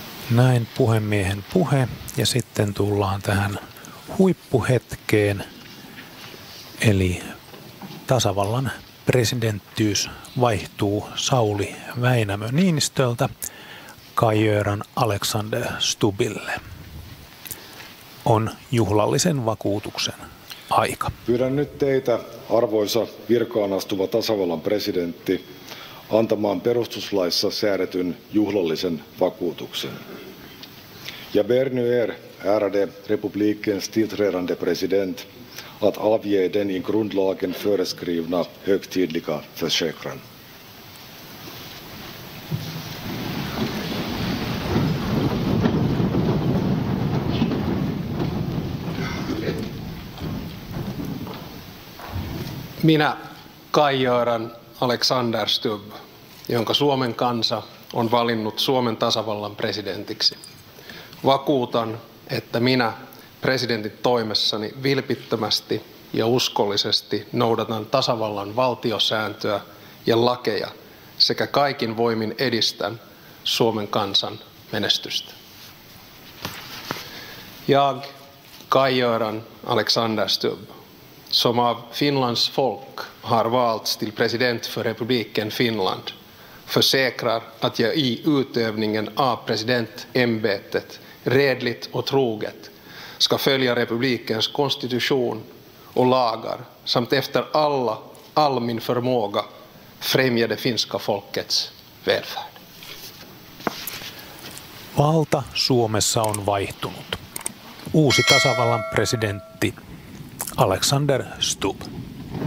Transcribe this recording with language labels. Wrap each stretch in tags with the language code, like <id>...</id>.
<fi>Näin puhemiehen puhe, ja sitten tullaan tähän huippuhetkeen, eli tasavallan presidenttiys vaihtuu Sauli Väinämö Niinistöltä Kajöran Alexander Stubbille. On juhlallisen vakuutuksen aika. Pyydän nyt teitä, arvoisa virkaan astuva tasavallan presidentti, antamaan perustuslaissa säädetyn juhlallisen vakuutuksen.</fi> <sv>Jag ber nu er, ärade republikens tillträdande president, att avge den i grundlagen föreskrivna högtidliga försäkran.</sv> <fi>Minä, Kai-Göran Alexander Stubb, jonka Suomen kansa on valinnut Suomen tasavallan presidentiksi, vakuutan, että minä presidentin toimessani vilpittömästi ja uskollisesti noudatan tasavallan valtiosääntöä ja lakeja sekä kaikin voimin edistän Suomen kansan menestystä.</fi> <sv>Jag, Kaj-Göran Alexander Stubb, som av Finlands folk har valts till president för republiken Finland, försäkrar att jag i utövningen av presidentämbetet redligt och troget ska följa republikens konstitution och lagar samt efter all min förmåga främja det finska folkets välfärd.</sv> <fi>Valta Suomessa on vaihtunut. Uusi tasavallan presidentti Alexander Stubb.</fi>